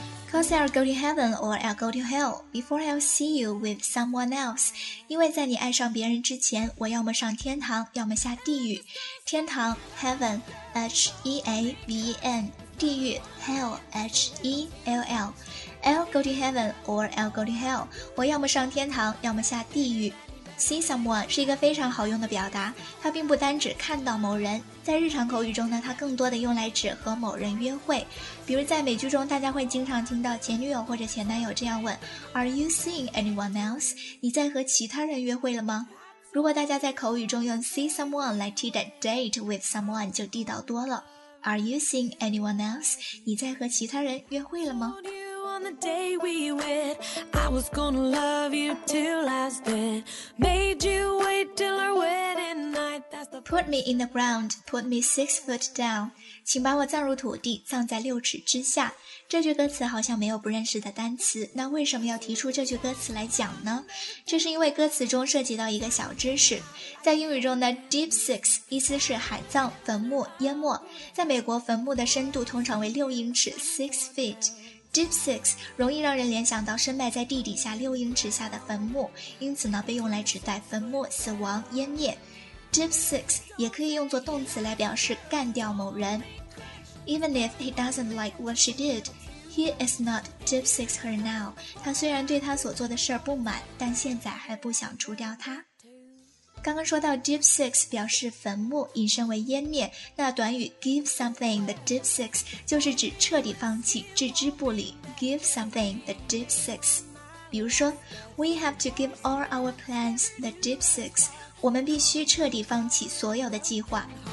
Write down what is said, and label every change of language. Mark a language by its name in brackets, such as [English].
[English] Cause I'll go to heaven or I'll go to hell before I'll see you with someone else， [Chinese] 因为在你爱上别人之前，我要么上天堂要么下地狱。天堂 heaven H-E-A-V-E-N， 地狱 hell H-E-L-L。 [English] I'll go to heaven or I'll go to hell， [Chinese] 我要么上天堂要么下地狱。 See someone 是一个非常好用的表达，它并不单指看到某人，在日常口语中呢，它更多的用来指和某人约会。比如在美剧中，大家会经常听到前女友或者前男友这样问 [English] Are you seeing anyone else？ [Chinese] 你在和其他人约会了吗？如果大家在口语中用 see someone 来替代 date with someone， 就地道多了。 [English] Are you seeing anyone else？ [Chinese] 你在和其他人约会了吗？ [English] On the day we wed, I was gonna love you till I was dead. Made you wait till our wedding night. That's the put me in the ground, put me 6 feet down. [Chinese] 请把我葬入土地，葬在六尺之下。这句歌词好像没有不认识的单词，那为什么要提出这句歌词来讲呢？这是因为歌词中涉及到一个小知识，在英语中呢 deep six 意思是海葬、坟墓、淹没。在美国，坟墓的深度通常为6英尺 six feet。 Deep six 容易让人联想到深埋在地底下6英尺下的坟墓，因此呢被用来指代坟墓、死亡、湮灭。 Deep six 也可以用作动词来表示干掉某人。 [English] Even if he doesn't like what she did, he is not deep six her now. [Chinese] 他虽然对他所做的事不满，但现在还不想除掉他。刚刚说到 deep six 表示坟墓，引申为湮灭，那短语 give something the deep six 就是指彻底放弃、置之不理。 [English] give something the deep six， [Chinese] 比如说 [English] we have to give all our plans the deep six， [Chinese] 我们必须彻底放弃所有的计划。